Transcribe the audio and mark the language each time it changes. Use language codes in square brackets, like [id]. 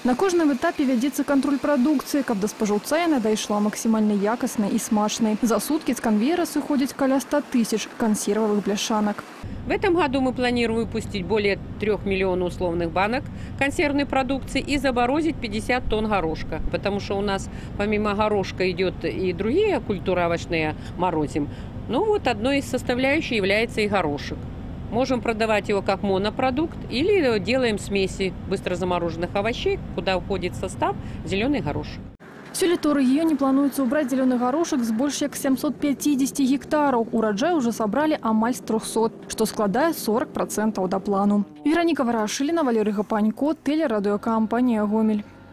[be] На кожным этапе вядзецца кантроль прадукцыі, каб да спажыўца яна дайшла максімальна якаснай і смачнай. За суткі з канвеера сыходзіць каля 100 тысяч кансервавых бляшанак. [ru] В этом году мы планируем выпустить более 3 миллионов условных банок консервной продукции и заморозить 50 тонн горошка. Потому что у нас помимо горошка идет и другие культуры овощные морозим. Ну вот одной из составляющих является и горошек. Можем продавать его как монопродукт или делаем смеси быстрозамороженных овощей, куда входит состав зеленый горошек. [be] Сёлета ў рэгіёне плануецца ўбраць зялёны гарошак з больш як 750 гектараў. Ураджай ўжо сабралі амаль з 300, што складае 40% да плану. Вераніка Варашыліна, Валерый Гапанько, тэлерадыёкампанія Гомель.